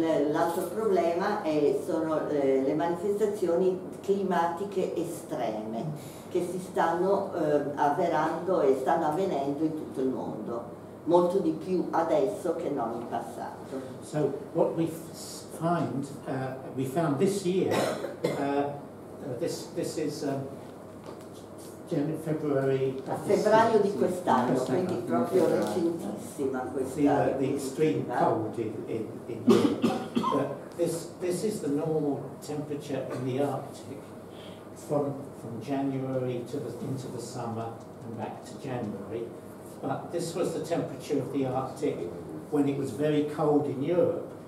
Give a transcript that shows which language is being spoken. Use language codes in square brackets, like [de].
[it] L'altro problema sono le manifestazioni climatiche estreme che si stanno avverando e stanno avvenendo in tutto il mondo, molto di più adesso che non in passato. [en] So what we find, we found this year, this is February. [it] A febbraio di quest'anno, quindi proprio recentissima questa. [en] The extreme cold in Europe. This is the normal temperature in the Arctic from January into the summer and back to January. But this was the temperature of the Arctic when it was very cold in Europe.